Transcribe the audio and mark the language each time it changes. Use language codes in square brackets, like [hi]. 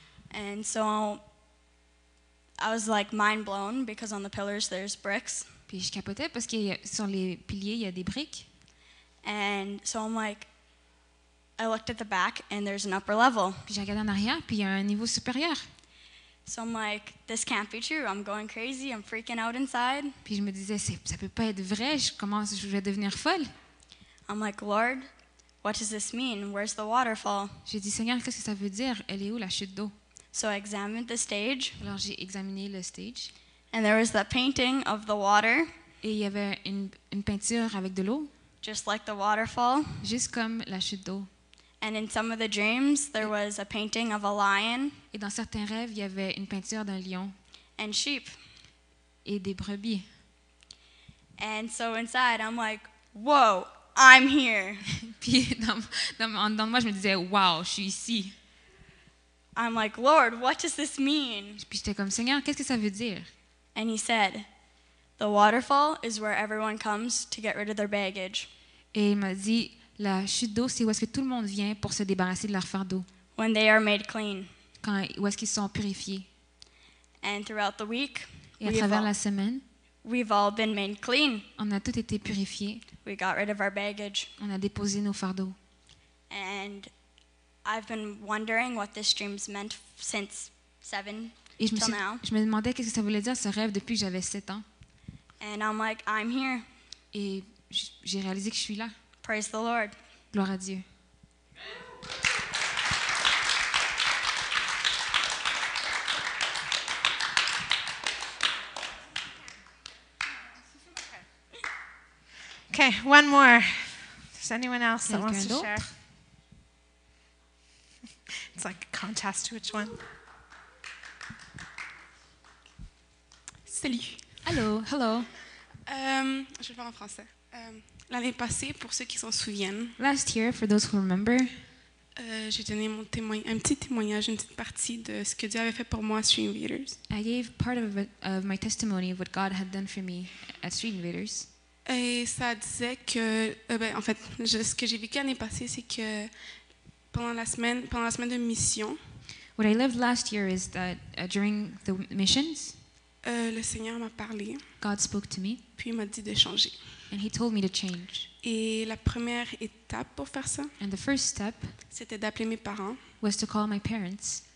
[en] And so I was like mind blown because on the pillars there's bricks. [fr] Puis je capotais parce que sur les piliers il y a des briques. [en] And so I'm like, I looked at the back and there's an upper level. [fr] Puis j'ai regardé en arrière puis il y a un niveau supérieur. [en] So I'm like, this can't be true. I'm going crazy. I'm freaking out inside. [fr] Puis je me disais, ça peut pas être vrai. Je vais devenir folle. [en] I'm like, Lord, what does this mean? Where's the waterfall? [fr] J'ai dit, Seigneur, qu'est-ce que ça veut dire? Elle est où la chute d'eau? [en] So I examined the stage. [fr] Alors j'ai examiné le stage. [en] And there was that painting of the water. [fr] Et il y avait une peinture avec de l'eau. [en] Just like the waterfall. [fr] Juste comme la chute d'eau. [en] And in some of the dreams, there was a painting of a lion. [fr] Et dans certains rêves, il y avait une peinture d'un lion. [en] And sheep. [fr] Et des brebis. [en] And so inside, I'm like, whoa, I'm here. [fr] Puis dans moi, je me disais, wow, je suis ici. [en] I'm like, Lord, what does this mean? [fr] Puis j'étais comme, Seigneur, qu'est-ce que ça veut dire? [en] And he said, the waterfall is where everyone comes to get rid of their baggage. [fr] Et il m'a dit, la chute d'eau, c'est où est-ce que tout le monde vient pour se débarrasser de leur fardeau. [en] When they are made clean. [fr] Quand, où est-ce qu'ils sont purifiés. [en] And throughout the week, [fr] et à travers la semaine, [en] we've all been made clean. [fr] On a tous été purifiés. [en] We got rid of our baggage. [fr] On a déposé nos fardeaux. [en] And I've been wondering what this dream's meant since 7 till now. [fr] Je me demandais qu'est-ce que ça voulait dire ce rêve depuis que j'avais 7 ans. [en] And I'm like, I'm here. [fr] Et j'ai réalisé que je suis là. [en] Praise the Lord. [fr] Gloire à Dieu. [en] Okay, one more. Is anyone else that wants to share? It's like a contest, which one? [fr] Salut. [en] Hello. Hello. [fr] Je vais faire en français. L'année passée, pour ceux qui s'en souviennent. [en] Last year, for those who remember. [fr] J'ai donné un petit témoignage, une petite partie de ce que Dieu avait fait pour moi à Street Invaders. [en] I gave part of my testimony of what God had done for me at Street Invaders. [fr] Et ça disait que, ce que j'ai vécu l'année passée, c'est que pendant la semaine de mission. [en] What I lived last year is that during the missions. [fr] Le Seigneur m'a parlé. [en] God spoke to me. [fr] Puis il m'a dit de changer. [en] And he told me to change. [fr] Et la première étape pour faire ça, [en] and the first step, [fr] c'était d'appeler mes parents, [en] was to call my parents,